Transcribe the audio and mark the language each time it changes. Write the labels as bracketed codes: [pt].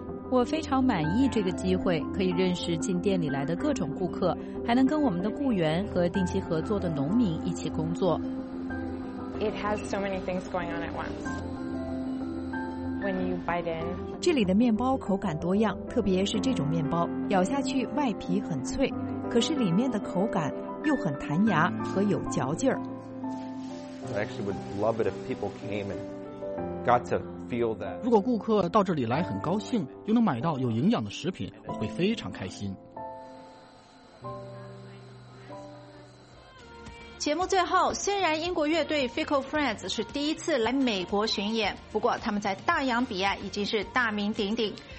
[zh] 我非常满意这个机会，可以认识进店里来的各种顾客，还能跟我们的雇员和定期合作的农民一起工作。 [en] It has so many things going on at once. When you bite in, [zh] 这里的面包口感多样，特别是这种面包，咬下去外皮很脆，可是里面的口感又很弹牙和有嚼劲儿。 [en] I actually would love it if people came and got to feel that. [zh] 如果顾客到这里来很高兴，又能买到有营养的食品，我会非常开心。节目最后，虽然英国乐队 Fickle Friends 是第一次来美国巡演，不过他们在大洋彼岸已经是大名鼎鼎。